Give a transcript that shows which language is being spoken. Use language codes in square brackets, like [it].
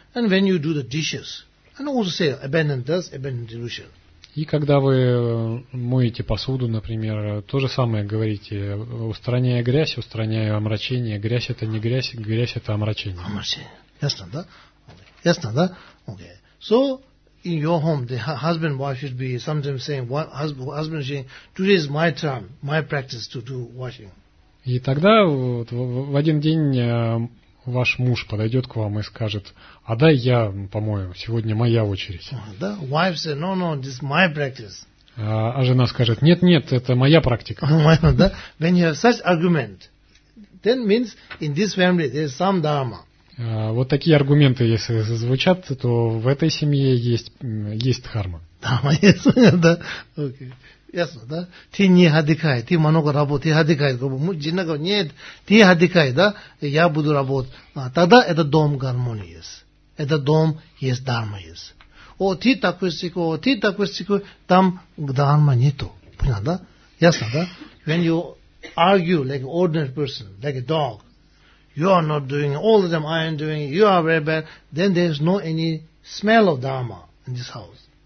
[en] And when you do the dishes, and also say abandon dust, abandon delusion. [ru] И когда вы моете посуду, например, то же самое говорите, устраняя грязь, устраняя омрачение. Грязь это не грязь, грязь это омрачение. Ясно, да? Ясно, да? Okay. [en] So, in your home, the husband wife should be sometimes saying, husband saying, today is my time, my practice to do washing. [ru] И тогда вот, в один день ваш муж подойдет к вам и скажет, а дай я помою, сегодня моя очередь. [en] Да? Wife says, no, this is my practice. [ru] А жена скажет, нет, это моя практика. Да? [en] When you have such argument, then means in this family there is some dharma. [ru] Вот такие аргументы, если звучат, то в этой семье есть дхарма. Дхарма есть, да? Окей. Ясно, да? Ты не отдыхай, ты много работай, ты отдыхай. Жена говорит, нет, ты отдыхай, да? Я буду работать. Тогда это дом гармонии есть. Это дом есть, дхарма есть. О, ты такой стихой, ты такой стихой, там дхарма нету. Понял, да? Ясно, да? [en] When you argue like an ordinary person, like a dog, you are not doing all of them, I am doing, you are very bad, then there is no any smell of dharma in this house.